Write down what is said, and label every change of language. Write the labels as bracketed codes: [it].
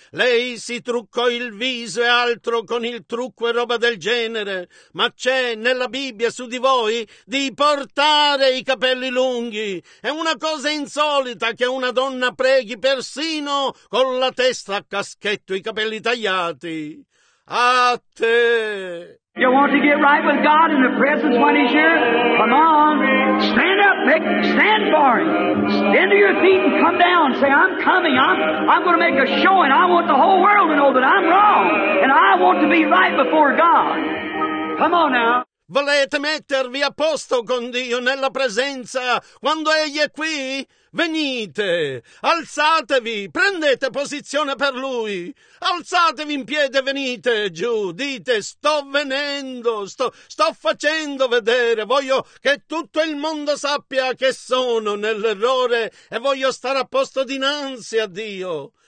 [it] Lei si truccò il viso e altro con il trucco e roba del genere. Ma c'è nella Bibbia su di voi di portare i capelli lunghi. È una cosa insolita che una donna preghi persino con la testa a caschetto e i capelli tagliati. A te! [en] You want to get right with God in the presence when He's here? Come on. Stand up, make stand for Him. Stand to your feet and come down. Say, I'm coming. I'm going to make a showing. I want the whole world to know that I'm wrong. And I want to be right before God. Come on now. [it] Volete mettervi a posto con Dio nella presenza quando Egli è qui? Venite, alzatevi, prendete posizione per Lui. Alzatevi in piedi, venite giù, dite sto venendo, sto facendo vedere, voglio che tutto il mondo sappia che sono nell'errore e voglio stare a posto dinanzi a Dio.